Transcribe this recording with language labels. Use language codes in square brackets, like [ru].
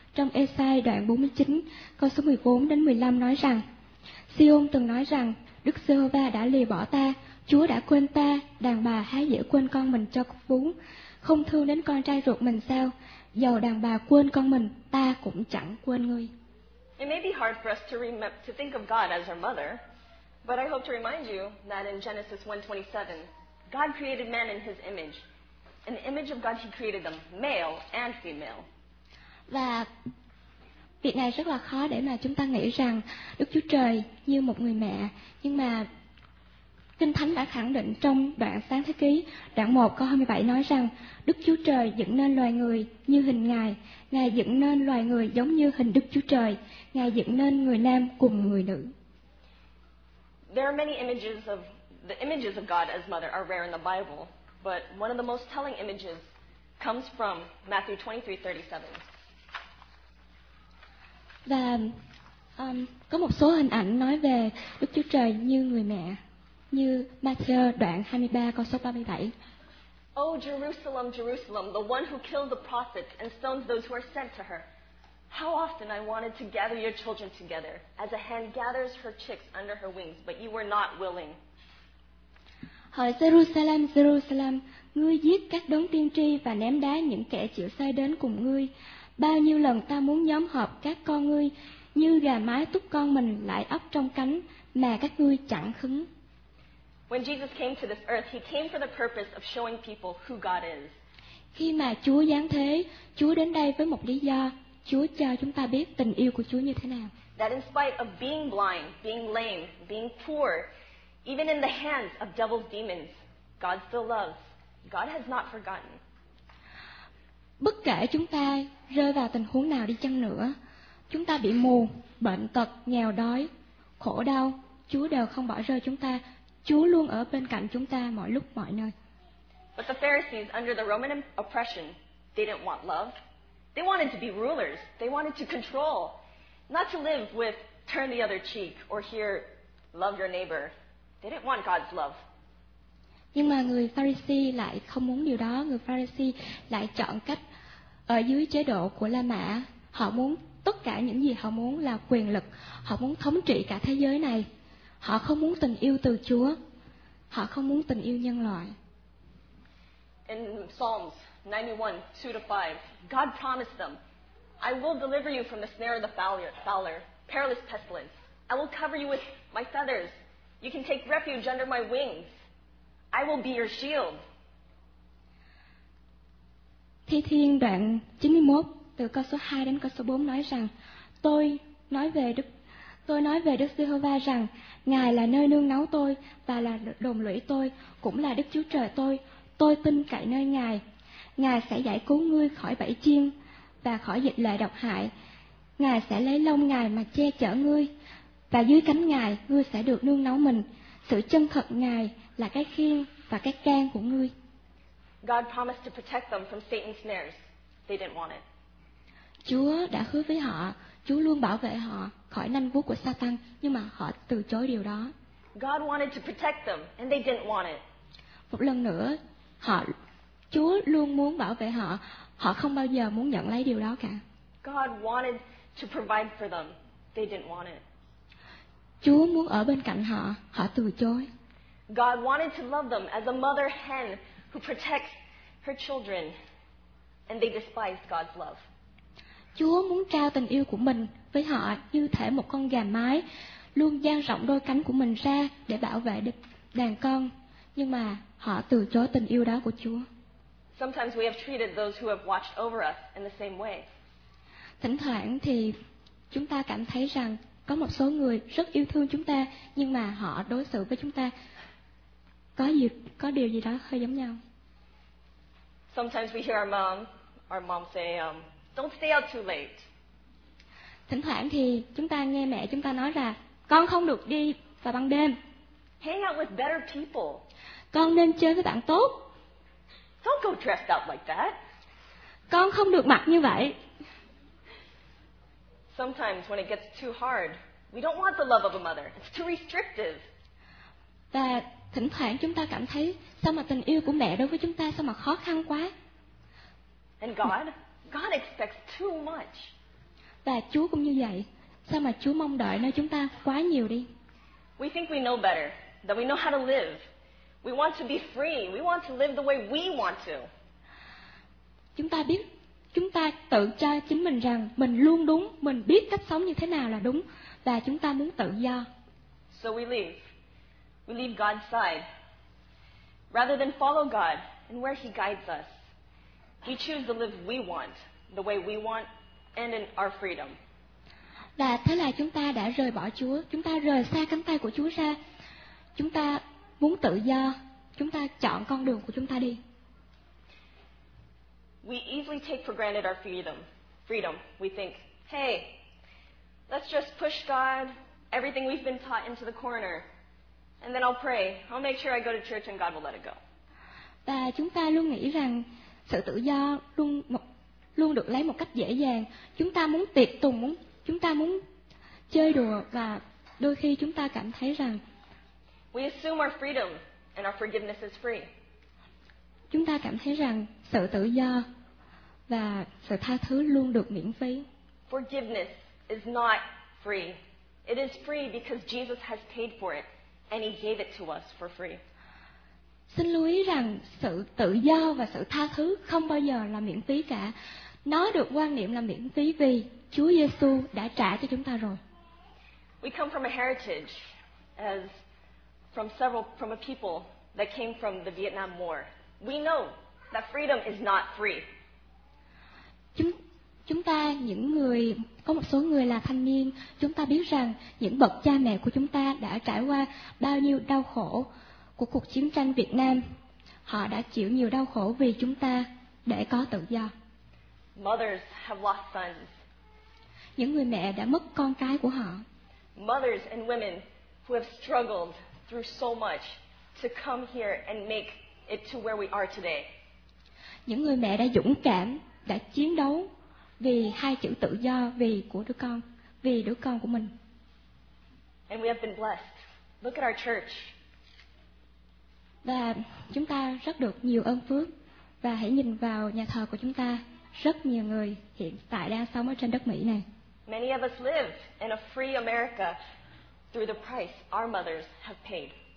[vi] Trong Esai đoạn 49, câu số 14-15 nói rằng, Siôn từng nói rằng, Đức Giê-hô-va đã lìa bỏ ta, Chúa đã quên ta, đàn bà há dễ quên con mình cho vú, không thương đến con trai ruột mình sao, dầu đàn bà quên con mình, ta cũng chẳng quên ngươi. [en] It may be hard for us to think of God as our mother. But I hope to remind you that in Genesis 1:27, God created man in his image. In the image of God, he created them, male and female. [vi] Và việc này rất là khó để mà chúng ta nghĩ rằng Đức Chúa Trời như một người mẹ. Nhưng mà Kinh Thánh đã khẳng định trong đoạn Sáng Thế Ký, đoạn 1 câu 27 nói rằng Đức Chúa Trời dựng nên loài người như hình Ngài. Ngài dựng nên loài người giống như hình Đức Chúa Trời. Ngài dựng nên người nam cùng người nữ. [en] There are many images of the images of God as mother are rare in the Bible, but one of the most telling images comes from Matthew 23:37. [vi] Và có một số hình ảnh nói về Đức Chúa Trời như người mẹ, như Matthew đoạn 23 câu số 37. [en] Oh Jerusalem, Jerusalem, the one who killed the prophets and stones those who are sent to her. How often I wanted to gather your children together, as a hen gathers her chicks under her wings, but you were not willing. [vi] Hỡi Jerusalem, Jerusalem, ngươi giết các đấng tiên tri và ném đá những kẻ chịu sai đến cùng ngươi. Bao nhiêu lần ta muốn nhóm họp các con ngươi, như gà mái túc con mình lại ấp trong cánh, mà các ngươi chẳng khứng. [en] When Jesus came to this earth, he came for the purpose of showing people who God is. [vi] Khi mà Chúa giáng thế, Chúa đến đây với một lý do. Chúa cho chúng ta biết tình yêu của Chúa như thế nào. [en] That in spite of being blind, being lame, being poor, even in the hands of devil's demons, God still loves. God has not forgotten. [vi] Bất kể chúng ta rơi vào tình huống nào đi chăng nữa, chúng ta bị mù, bệnh tật, nghèo đói, khổ đau, Chúa đều không bỏ rơi chúng ta. Chúa luôn ở bên cạnh chúng ta mọi lúc mọi nơi. [en] But the Pharisees under the Roman oppression, they didn't want love. They wanted to be rulers. They wanted to control, not to live with turn the other cheek or hear love your neighbor. They didn't want God's love. [vi] Nhưng mà người Pharisee lại không muốn điều đó. Người Pharisee lại chọn cách ở dưới chế độ của La Mã. Họ muốn tất cả những gì họ muốn là quyền lực. Họ muốn thống trị cả thế giới này. Họ không muốn tình yêu từ Chúa. Họ không muốn tình yêu nhân loại. [en] In Psalms 91:2-5, God promised them, "I will deliver you from the snare of the fowler, perilous pestilence. I will cover you with my feathers. You can take refuge under my wings. I will be your shield." [vi] Thi Thiên đoạn 91 từ câu số 2 đến câu số 4 nói rằng, Tôi nói về Đức Giê-hô-va rằng, Ngài là nơi nương náu tôi và là đồn lũy tôi, cũng là Đức Chúa Trời tôi. Tôi tin cậy nơi Ngài. Ngài sẽ giải cứu ngươi khỏi bẫy chiên và khỏi dịch lệ độc hại. Ngài sẽ lấy lông Ngài mà che chở ngươi. và dưới cánh Ngài ngươi sẽ được nương náu mình. Sự chân thật Ngài là cái khiên và cái can của ngươi. [en] God promised to protect them from Satan's snares. They didn't want it. [vi] Chúa đã hứa với họ, Chúa luôn bảo vệ họ khỏi nanh vuốt của Satan, nhưng mà họ từ chối điều đó. [en] God wanted to protect them and they didn't want it. [vi] Một lần nữa, Chúa luôn muốn bảo vệ họ, họ không bao giờ muốn nhận lấy điều đó cả. [en] God wanted to provide for them. They didn't want it. [vi] Chúa muốn ở bên cạnh họ, họ từ chối. [en] God wanted to love them as a mother hen who protects her children, and they despised God's love. [vi] Chúa muốn trao tình yêu của mình với họ như thể một con gà mái luôn dang rộng đôi cánh của mình ra để bảo vệ đàn con, nhưng mà họ từ chối tình yêu đó của Chúa. [en] Sometimes we have treated those who have watched over us in the same way. [vi] Thỉnh thoảng thì chúng ta cảm thấy rằng có một số người rất yêu thương chúng ta, nhưng mà họ đối xử với chúng ta có điều gì đó hơi giống nhau. [en] Sometimes we hear our mom say, "Don't stay out too late." [vi] Thỉnh thoảng thì chúng ta nghe mẹ chúng ta nói là con không được đi vào ban đêm. [en] Hang out with better people. [vi] Con nên chơi với bạn tốt. [en] Don't go dressed up like that. [vi] Con không được mặc như vậy. [en] Sometimes when it gets too hard, we don't want the love of a mother. It's too restrictive. [vi] Và thỉnh thoảng chúng ta cảm thấy sao mà tình yêu của mẹ đối với chúng ta sao mà khó khăn quá. [en] And God, God expects too much. [vi] Và Chúa cũng như vậy. Sao mà Chúa mong đợi nơi chúng ta quá nhiều đi? [en] We think we know better, that we know how to live. We want to be free. We want to live the way we want to. [vi] Chúng ta biết, chúng ta tự cho chính mình rằng mình luôn đúng, mình biết cách sống như thế nào là đúng, và chúng ta muốn tự do. [en] So we leave. We leave God's side. Rather than follow God and where He guides us, we choose to live we want, the way we want, and in our freedom. [vi] Và thế là chúng ta đã rời bỏ Chúa, chúng ta rời xa cánh tay của Chúa ra. Chúng ta muốn tự do, chúng ta chọn con đường của chúng ta đi. [en] We easily take for granted our freedom. We think, hey, let's just push God, everything we've been taught into the corner, and then I'll pray. I'll make sure I go to church and God will let it go. [vi] Và chúng ta luôn nghĩ rằng sự tự do luôn được lấy một cách dễ dàng. Chúng ta muốn tiệc tùng, chúng ta muốn chơi đùa, và đôi khi chúng ta cảm thấy rằng [en] we assume our freedom and our forgiveness is free. [vi] Chúng ta cảm thấy rằng sự tự do và sự tha thứ luôn được miễn phí. [en] Forgiveness is not free. It is free because Jesus has paid for it and he gave it to us for free. [vi] Xin lưu ý rằng sự tự do và sự tha thứ không bao giờ là miễn phí cả. Nó được quan niệm là miễn phí vì Chúa Giê-xu đã trả cho chúng ta rồi. [en] We come from a heritage as from a people that came from the Vietnam War. We know that freedom is not free. [vi] Chúng ta những người có một số người là thanh niên, chúng ta biết rằng những bậc cha mẹ của chúng ta đã trải qua bao nhiêu đau khổ của cuộc chiến tranh Việt Nam. Họ đã chịu nhiều đau khổ vì chúng ta để có tự do. [en] Mothers have lost sons. [vi] Những người mẹ đã mất con cái của họ. [en] Mothers and women who have struggled through so much to come here and make it to where we are today. [vi] Những người mẹ đã dũng cảm, đã chiến đấu vì hai chữ tự do, vì đứa con của mình. [en] And we have been blessed. Look at our church. [vi] Và chúng ta rất được nhiều ơn phước, và hãy nhìn vào nhà thờ của chúng ta, rất nhiều người hiện tại đang sống ở trên đất Mỹ này. [en] Many of us live in a free America through the price our mothers have paid.